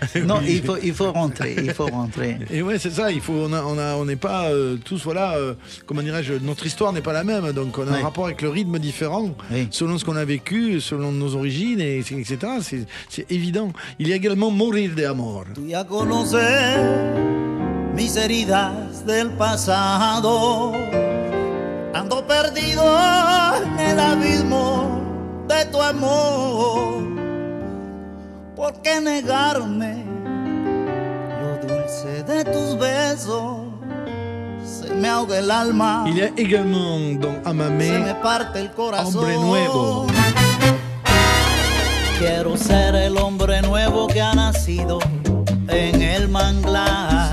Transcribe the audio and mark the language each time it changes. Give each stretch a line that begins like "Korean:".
French: Non, il faut rentrer. Et ouais, c'est ça. On n'est pas tous, notre histoire n'est pas la même, donc on a un rapport avec le rythme différent, selon ce qu'on a vécu, selon nos origines, etc. C'est évident. Il y a également Morir de Amor.
Spanish: Tu ya conoces mis heridas del pasado, ando perdido en el abismo de tu amor. ¿Por qué negarme lo dulce de tus besos?
French: Il y a également dans Amame, Hombre Nuevo.
Spanish: Quiero ser el hombre nuevo que ha nacido en el manglar.